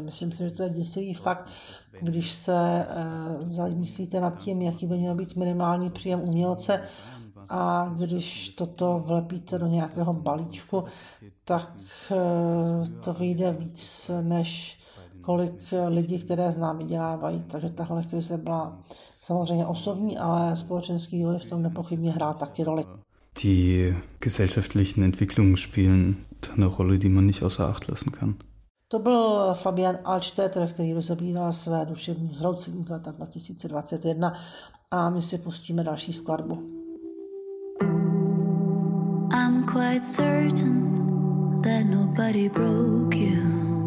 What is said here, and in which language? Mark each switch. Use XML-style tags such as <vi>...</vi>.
<cs>Myslím si, že to je děsivý fakt, když se zamyslíte nad tím, jaký by měl být minimální příjem umělce, a když toto vlepíte do nějakého balíčku, tak to vyjde víc, než kolik lidí, které znám, vydělávají. Takže tahle krize byla samozřejmě osobní, ale společenský vývoj v tom nepochybně hrál taky roli.</cs> <de>Die gesellschaftlichen Entwicklungen spielen eine Rolle, die man nicht außer Acht lassen kann.</de> <cs>To byl Fabian Altstetter, který rozebíral své duševní zhroucení z leta 2021 a my si pustíme další skladbu.</cs> <en>I'm quite certain that nobody broke you.</en>